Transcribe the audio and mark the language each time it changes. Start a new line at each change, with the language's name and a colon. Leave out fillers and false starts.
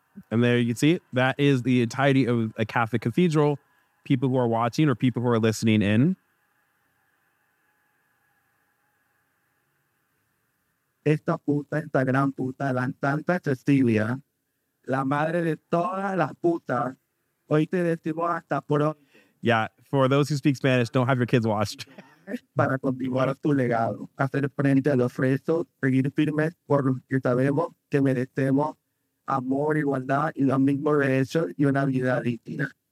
English: And there you see it. That is the entirety of a Catholic cathedral. People who are watching or people who are listening in.
Spanish: Esta puta, esta gran puta, la Santa Cecilia, la madre de todas las putas. Hoy te decimos hasta pronto.
English: Yeah, for those who speak Spanish, don't have your kids watched.
Spanish: Para continuar tu legado, hacer frente a los presos, seguir firmes por lo que sabemos que merecemos. Amor, igualdad, y los mismos derechos, y una vida digna.